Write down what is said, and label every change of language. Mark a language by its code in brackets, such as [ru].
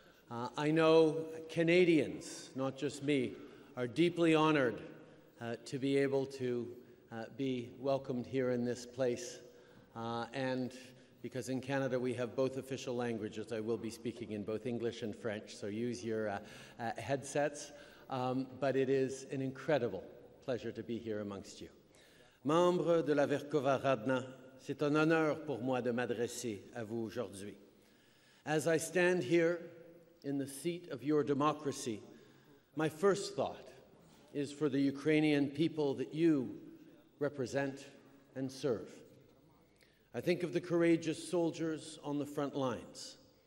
[en] I know Canadians, not just me, are deeply honored to be able to be welcomed here in this place. And because in Canada we have both official languages, I will be speaking in both English and French, so use your headsets. But it is an incredible pleasure to be here amongst you. [fr] Membre de la Verkhova Radna, c'est un honneur pour moi de m'adresser à vous aujourd'hui. [en] As I stand here in the seat of your democracy, my first thought is for the Ukrainian people that you represent and serve. I think of the courageous soldiers on the front lines.